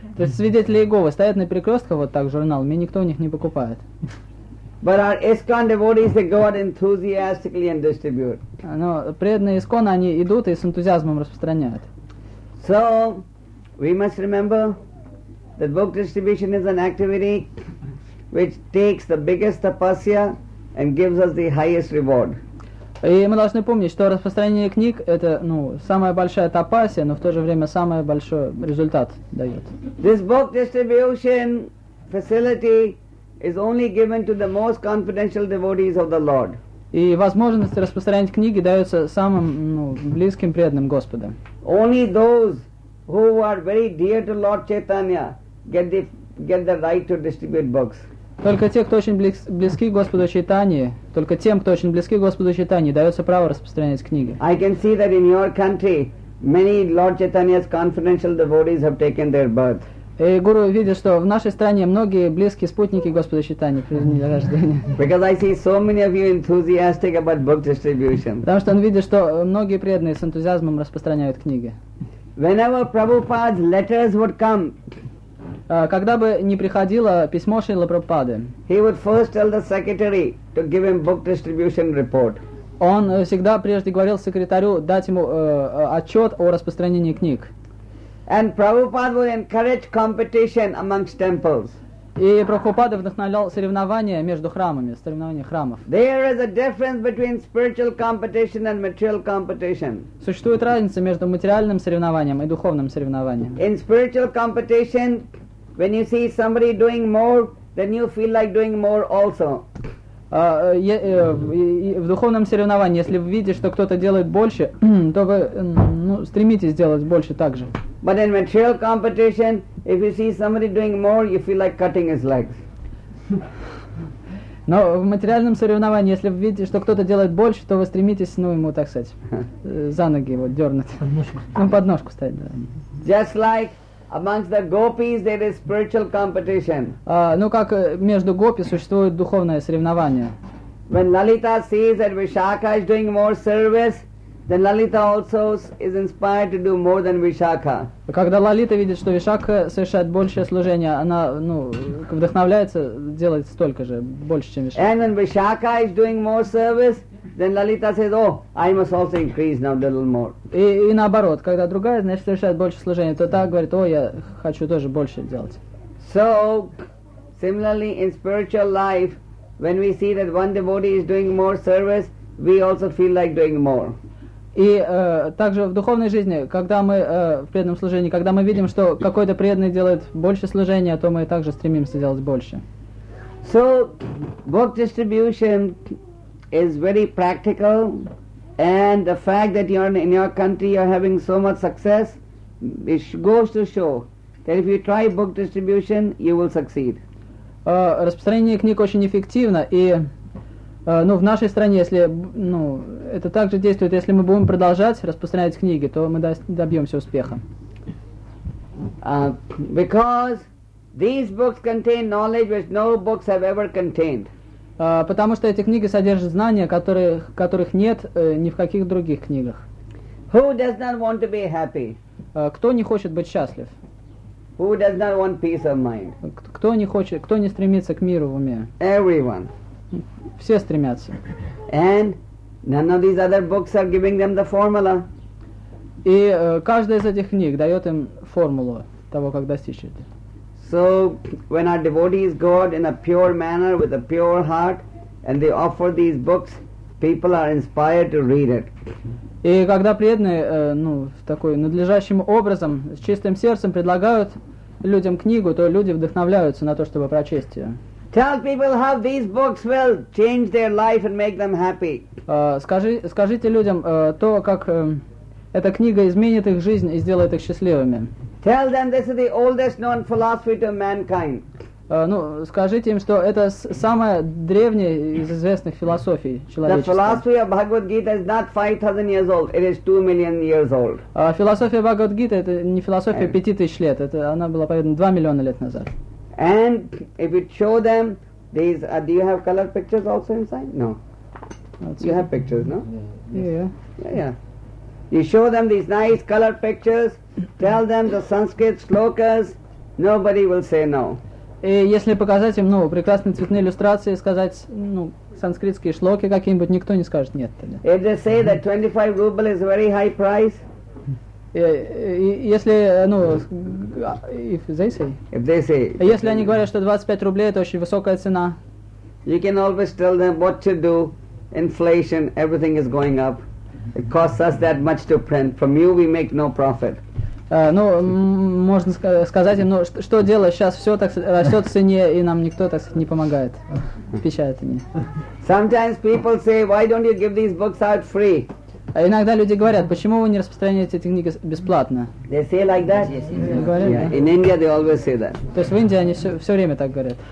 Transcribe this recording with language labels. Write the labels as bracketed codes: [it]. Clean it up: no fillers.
[ru] То есть свидетели Иеговы стоят на перекрестках вот так журналами, и никто у них не покупает. [en] But our ISKCON devotees, they go out enthusiastically and distribute. [ru] Но преданные ISKCON, они идут и с энтузиазмом распространяют. [en] So, we must remember that book distribution is an activity which takes the biggest tapasya and gives us the highest reward. [ru] И мы должны помнить, что распространение книг – это, ну, самая большая тапасия, но в то же время самый большой результат дает. [en] This book distribution facility is only given to the most confidential devotees of the Lord. [ru] И возможность распространять книги дается самым, ну, близким преданным Господа. [en] Only those who are very dear to Lord Chaitanya get the right to distribute books. [ru] Только те, кто очень близки Господу Чайтанье, только тем, кто очень близки Господу Чайтанье, дается право распространять книги. [en] I can see that in your country many Lord Chaitanya's confidential devotees have taken their birth. [ru] И гуру видит, что в нашей стране многие близкие спутники Господа Чайтанья приняли рождение. [en] Because I see so many of you enthusiastic about book distribution. [ru] Потому что он видит, что многие преданные с энтузиазмом распространяют книги. [en] Whenever Prabhupada's letters would come, [ru] когда бы ни приходило письмо Шрилы Прабхупады, [en] he would first tell the secretary to give him book distribution report. [ru] Он всегда прежде говорил секретарю дать ему отчет о распространении книг. [en] And Prabhupada would encourage competition amongst temples. [ru] И Прабхупада вдохновлял соревнования между храмами, соревнования храмов. [en] There is a difference between spiritual competition and material competition. [ru] Существует разница между материальным соревнованием и духовным соревнованием. [en] In spiritual competition, when you see somebody doing more, then you feel like doing more also. [ru] В духовном соревновании, если вы видите, что кто-то делает больше, то вы стремитесь делать больше также. [en] But in material competition, if you see somebody doing more, you feel like cutting his legs. [ru] Но в материальном соревновании, если вы видите, что кто-то делает больше, то вы стремитесь, ему, так сказать, за ноги его дернуть. Подножку. Подножку ставить, да. [en] Just like amongst the gopis, there is spiritual competition. [ru] Как между гопи существует духовное соревнование. [en] When Lalita sees that Vishakha is doing more service, then Lalita also is inspired to do more than Vishakha. [ru] Когда Лалита видит, что Вишакха совершает большее служение, она, вдохновляется делать столько же, больше, чем Вишакха. [en] And when Vishakha is doing more service, then Lalita says, "Oh, I must also increase now a little more." [ru] И наоборот, когда другая, совершает больше служения, то та говорит, "О, я хочу тоже больше делать." [en] So, similarly in spiritual life, when we see that one devotee is doing more service, we also feel like doing more. [ru] И также в духовной жизни, когда мы в преданном служении, когда мы видим, что какой-то преданный делает больше служения, то мы также стремимся делать больше. [en] So, work distribution is very practical, and the fact that you're in your country, you're having so much success, it goes to show that if you try book distribution, you will succeed. [ru] Распространение книг очень эффективно, и в нашей стране, если это также действует, если мы будем продолжать распространять книги, то мы добьемся успеха. [en] Because these books contain knowledge which no books have ever contained. [ru] Потому что эти книги содержат знания, которых нет ни в каких других книгах. [en] Who does not want to be happy? [ru] Кто не хочет быть счастлив? [en] Who does not want peace of mind? [ru] Кто не стремится к миру в уме? [en] Everyone. [ru] Все стремятся. [en] And none of these other books are giving them the formula. [ru] И каждая из этих книг дает им формулу того, как достичь это. [en] So when our devotees go out in a pure manner with a pure heart and they offer these books, people are inspired to read it. [ru] И когда преданные, такой надлежащим образом, с чистым сердцем предлагают людям книгу, то люди вдохновляются на то, чтобы прочесть ее. [en] Tell people how these books will change their life and make them happy. [ru] Скажите людям то, как эта книга изменит их жизнь и сделает их счастливыми. [en] Tell them this is the oldest known philosophy to mankind. [ru] Скажите им, что это самая древняя из известных философий человечества. [en] The philosophy of Bhagavad Gita is not 5,000 years old, it is 2 million years old. [ru] Философия Бхагавад Гита это не философия 5000 лет, это она была поведена 2 миллиона лет назад. [en] And if you show them these, do you have color pictures also inside? No. You have pictures, no? Yeah. You show them these nice color pictures, tell them the Sanskrit slokas, nobody will say no. [ru] И если показать им, прекрасные цветные иллюстрации, сказать, санскритские шлоки какие-нибудь, никто не скажет нет. [en] If they say that 25 ruble is a very high price, [ru] если они говорят, что 25 рублей это очень высокая цена, [en] you can always tell them what to do. Inflation, everything is going up. It costs us that much to print. From you, we make no profit. [ru] Можно сказать им, что делать? Сейчас все так растет в цене, и нам никто так не помогает. Печатание. [en] Sometimes people say, why don't you give these books out free? [ru] Иногда люди говорят, почему вы не распространяете эти книги бесплатно? [en] They say like that? Yeah. In India they always say that. [ru] То есть в Индии они все время так говорят.